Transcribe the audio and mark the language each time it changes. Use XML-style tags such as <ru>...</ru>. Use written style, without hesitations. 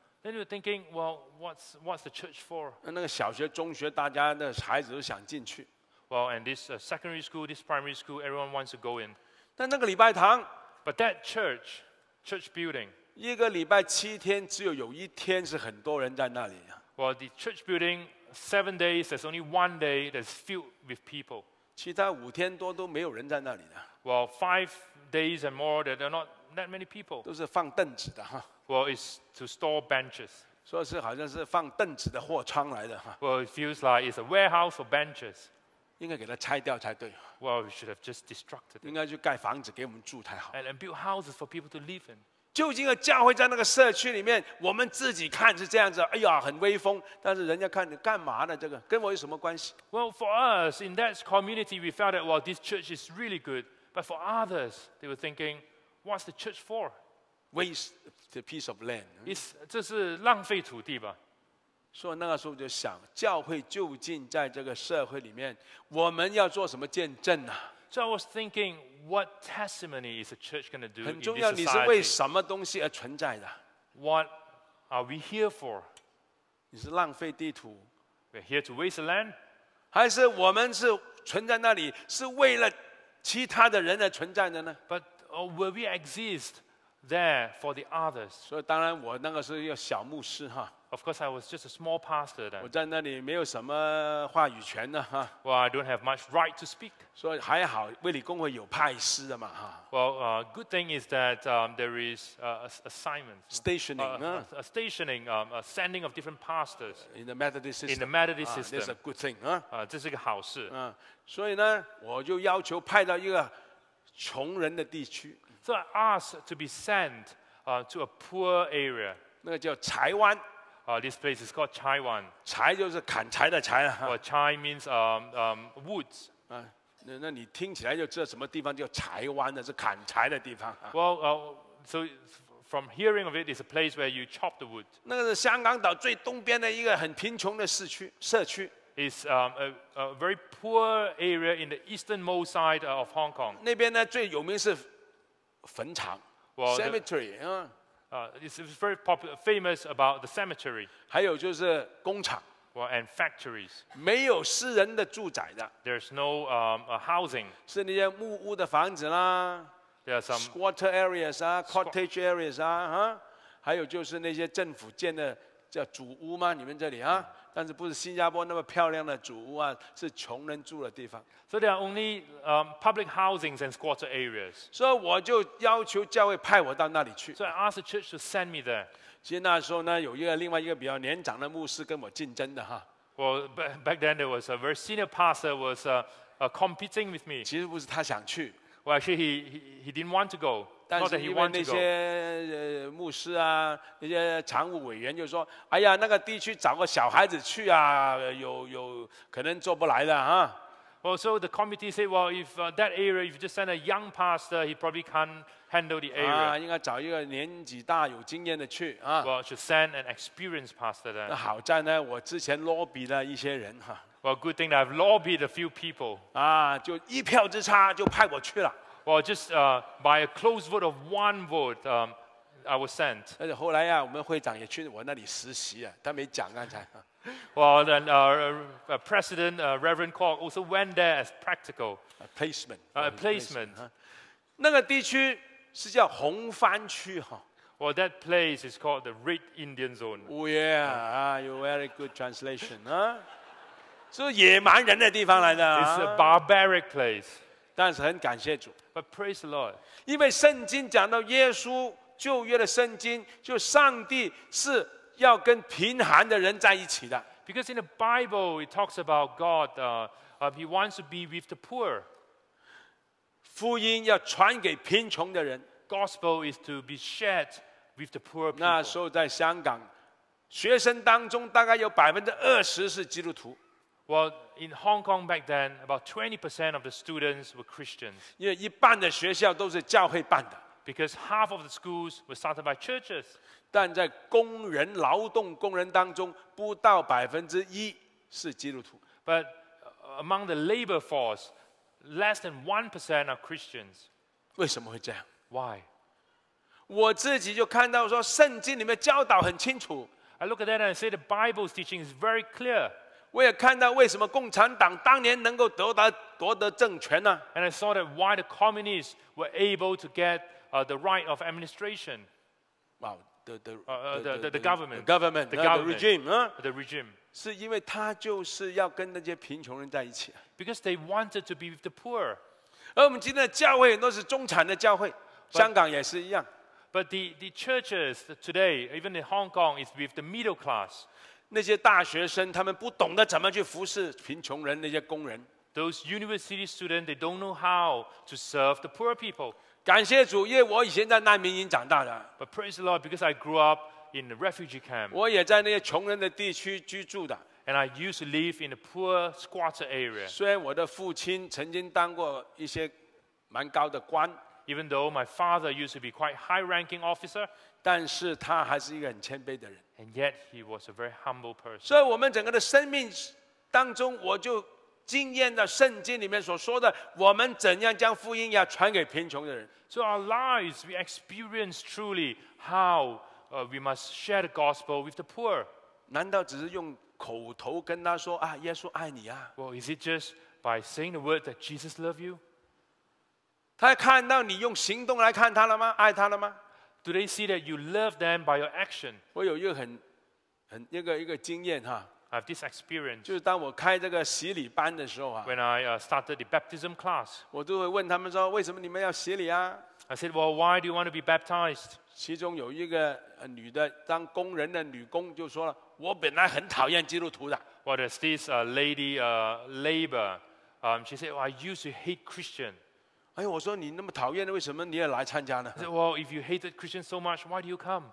<en>Then you're thinking, well, what's the church for?</en> <zh>那个小学、中学，大家的孩子都想进去。</zh> <en>Well, and this secondary school, this primary school, everyone wants to go in.</en> <zh>但那个礼拜堂</zh> <en>，But that church, church building.</en> <zh>一个礼拜七天，只有一天是很多人在那里。</zh> <en>Well, the church building, 7 days, there's only one day that's filled with people.</en> <zh>其他五天多都没有人在那里的。</zh> <en>Well, 5 days and more, there are not that many people.</en> <zh>都是放凳子的哈。</zh> <en>Well, it's to store benches.</en> <zh>说是好像是放凳子的货仓来的哈。</zh> <en>Well, it feels like it's a warehouse for benches.</en> <zh>应该给它拆掉才对。</zh> <en>Well, we should have just destructed it.</en> <zh>应该去盖房子给我们住才好。</zh> <en>And build houses for people to live in.</en> <zh>究竟教会在那个社区里面，我们自己看是这样子，哎呀，很威风。但是人家看你干嘛呢？这个跟我有什么关系</zh> <en>？Well, for us in that community, we felt that well, this church is really good. But for others, they were thinking, what's the church for? Waste the piece of land.</en> <zh>这是浪费土地吧？所以那个时候就想，教会究竟在这个社会里面，我们要做什么见证呢</zh> <en>？So I was thinking, what testimony is the church going to do?</en> <zh>很重要，你是为什么东西而存在的</zh> <en>？What are we here for?</en> <zh>你是浪费地图</zh> <en>？We're here to waste the land.</en> <zh>还是我们是存在那里是为了其他的人而存在的呢</zh> <en>？But will we exist? There for the others.</en> <zh>所以当然我那个是一个小牧师哈。</zh> <en>Of course, I was just a small pastor then.</en> <zh>我在那里没有什么话语权呢哈。</zh> <en>Well, I don't have much right to speak.</en> <zh>所以还好，卫理公会有派司的嘛哈。</zh> <en>Well, good thing is that there is assignment. Stationing. A stationing, a sending of different pastors. In the Methodist system. In the Methodist system. That's a good thing.</en> <zh>这是个好事。所以呢，我就要求派到一个穷人的地区。</zh> <en>So I asked to be sent to a poor area.</en> <zh>那个叫柴湾。</zh> <en>This place is called 柴湾。</en> <zh>柴就是砍柴的柴。</zh> <en>Well, 柴 means woods.</en> <zh>那你听起来就知道什么地方叫柴湾的，是砍柴的地方。</zh> <en>Well, so from hearing of it, it's a place where you chop the wood.</en> <zh>那个是香港岛最东边的一个很贫穷的社区。</zh> <en>Is a very poor area in the easternmost side of Hong Kong.</en> <zh>那边呢最有名是。坟场</zh> <en>well, cemetery it's very popular, famous about the cemetery</en> <zh>还有就是工厂</zh> <en>well, and factories</en> <zh>没有私人的住宅的</zh> <en>there's no housing</en> <zh>是那些木屋的房子啦</zh> <en>there are some squatter areas cottage areas</en> <zh>还有就是那些政府建的叫祖屋吗你们这里啊但是不是新加坡那么漂亮的祖屋啊是穷人住的地方。</zh> <en>So there are only public housings and squatter areas.</en> <zh>所以我就要求教会派我到那里去。</zh> <en>So I asked the church to send me there.</en> <zh>其实那时候呢有一个另外一个比较年长的牧师跟我竞争的哈。</zh> <en>Well, back then there was a very senior pastor was competing with me.</en> <zh>其实不是他想去。</zh> <en>Well, actually he didn't want to go.</en> <zh>但是因为那些牧师啊，那些常务委员就说：“哎呀，那个地区找个小孩子去啊，有可能做不来的啊。”</zh> <en>Well, so the committee said, "Well, if that area, if you just send a young pastor, he probably can't handle the area."</en> <zh>应该找一个年纪大有经验的去啊。</zh> <en>Well, should send an experienced pastor then.</en> <zh>那好在呢，我之前 lobby 了一些人哈。</zh> <en>Well, good thing that I've lobbied a few people.</en> <zh>就一票之差就派我去了。</zh> <en>Well, just by a close vote of one vote, I was sent.</en> <zh>而且后来呀，我们会长也去我那里实习啊，他没讲刚才。</zh> <en>Well, then President Reverend Kwok also went there as practical. A placement. A placement.</en> <zh>那个地区是叫红番区哈。</zh> <en>Well, that place is called the Red Indian Zone. Oh yeah, you're very good translation.</en> <zh>是野蛮人的地方来的。</zh> <en>It's a barbaric place.</en> <zh>但是很感谢主。</zh> <en>But praise the Lord.</en> <zh>因为圣经讲到耶稣旧约的圣经就上帝是要跟贫寒的人在一起的。</zh> <en>Because in the Bible, it talks about God, he wants to be with the poor.</en> <zh>福音要传给贫穷的人。</zh> <en>Gospel is to be shared with the poor people.</en> <zh>那时候在香港学生当中大概有20%是基督徒。</zh> <en>Well, in Hong Kong back then, about 20% of the students were Christians.</en> <zh>因为一半的学校都是教会办的。</zh> <en>Because half of the schools were started by churches.</en> <zh>但在工人劳动工人当中，不到1%是基督徒。</zh> <en>But among the labor force, less than 1% are Christians.</en> <zh>为什么会这样？</zh> <en>Why?</en> <zh>我自己就看到说，圣经里面教导很清楚。</zh> <en>I look at that and I say the Bible's teaching is very clear.</en> <zh>我也看到为什么共产党当年能够夺得政权呢？</zh> <en>And I saw that why the communists were able to get the right of administration. Wow, the government, the regime.</en> <zh>是因为他就是要跟那些贫穷人在一起。</zh> <en>Because they wanted to be with the poor.</en> <zh>而我们今天的教会都是中产的教会，香港也是一样。</zh> <en>But the churches today, even in Hong Kong, is with the middle class.</en> <zh>那些大学生他们不懂得怎么去服侍贫穷人那些工人。</zh> <en>Those university students, they don't know how to serve the poor people.</en> <zh>感谢主，因为我以前在难民营长大的。</zh> <en>But praise the Lord, because I grew up in the refugee camp.</en> <zh>我也在那些穷人的地区居住的。</zh> <en>And I used to live in a poor squatter area.</en> <zh>虽然我的父亲曾经当过一些蛮高的官。</zh> <en>Even though my father used to be quite high-ranking officer,</en> <zh>但是他还是一个很谦卑的人。</zh> <en>And yet he was a very humble person.</en> <zh>所以我们整个的生命当中，我就经验到圣经里面所说的，我们怎样将福音要传给贫穷的人。</zh> <en>So our lives, we experience truly how we must share the gospel with the poor.</en> <zh>难道只是用口头跟他说啊，耶稣爱你啊</zh> <en>？Well, is it just by saying the word that Jesus loves you?</en> <zh>他看到你用行动来看他了吗？爱他了吗</zh> <en>？Do they see that you love them by your action?</en> <zh>我有一个很一个经验哈。</zh> <en>I have this experience.</en> <zh>就是当我开这个洗礼班的时候啊。</zh> <en>When I started the baptism class.</en> <zh>我都会问他们说，为什么你们要洗礼啊</zh> <en>？I said, well, why do you want to be baptized?</en> <zh>其中有一个女的，当工人的女工就说了，我本来很讨厌基督徒的。</zh> <en>Well, there's this lady labor. She said, well, I used to hate Christian.</en> <zh>哎，我说你那么讨厌的，为什么你也来参加呢</zh> <en>？Well, if you hated Christians so much, why do you come?</en>